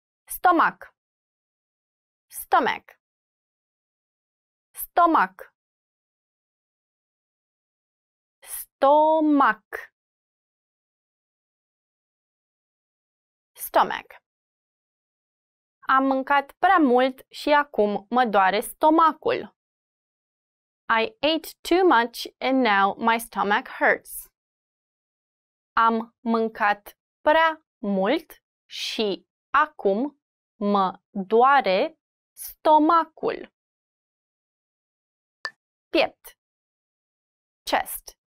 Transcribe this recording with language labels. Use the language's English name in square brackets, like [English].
[Romanian] Stomac. Stomach. Stomac. Stomac. [English] Stomach. [Romanian] Am mâncat prea mult și acum mă doare stomacul. [English] I ate too much and now my stomach hurts. [Romanian] Am mâncat prea mult și acum mă doare stomacul. Piept. Chest.